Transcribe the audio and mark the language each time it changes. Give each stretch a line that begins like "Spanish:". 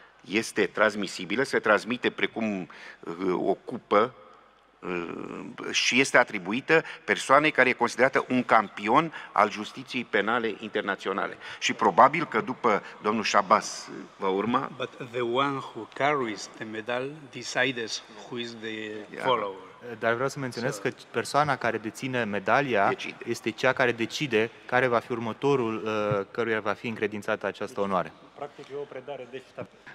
Romanian: Este transmisibilă, se transmite precum o cupă și este atribuită persoanei care e considerată un campion al justiției penale internaționale. Și probabil că după domnul Shabazz va urma.
English: But the one who carries the medal decides who is the follower.
Romanian: Dar vreau să menționez că persoana care deține medalia este cea care decide care va fi următorul căruia va fi încredințată această onoare. Practic e o predare de ștafetă.